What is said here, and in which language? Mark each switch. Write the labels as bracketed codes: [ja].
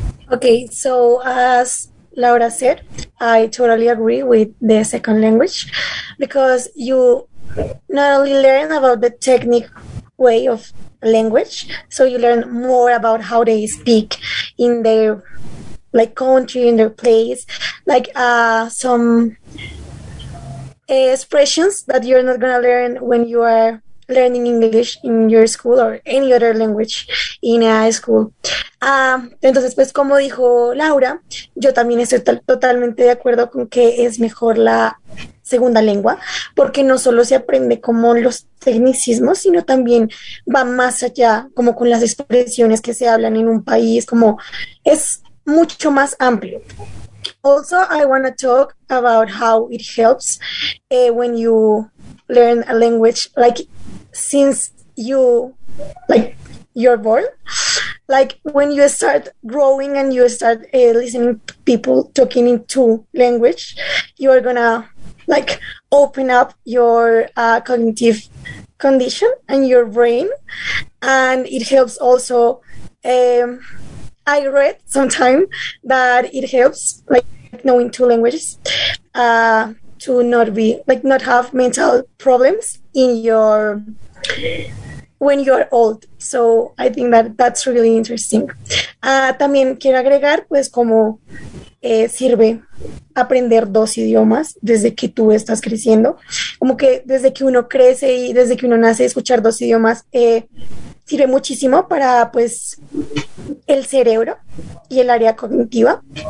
[en] Okay, so as Laura said, I totally agree with the second language because you not only learn about the technique way of language, so you learn more about how they speak in their like country, in their place, like some expressions that you're not going to learn when you are learning English in your school or any other language in a school. [es] Entonces, pues como dijo Laura, yo también estoy totalmente de acuerdo con que es mejor la segunda lengua, porque no solo se aprende como los tecnicismos, sino también va más allá, como con las expresiones que se hablan en un país, como es mucho más amplio. [en] Also, I want to talk about how it helps when you learn a language, like since you, like you're born, like when you start growing and you start listening to people talking in two language, you are gonna like open up your cognitive condition and your brain, and it helps also. I read sometime that it helps like knowing two languages to not be like not have mental problems in your when you're old. So I think that that's really interesting. [es] También quiero agregar pues como sirve aprender dos idiomas desde que tú estás creciendo, como que desde que uno crece y desde que uno nace, escuchar dos idiomas sirve muchísimo para pues el cerebro y el área cognitiva.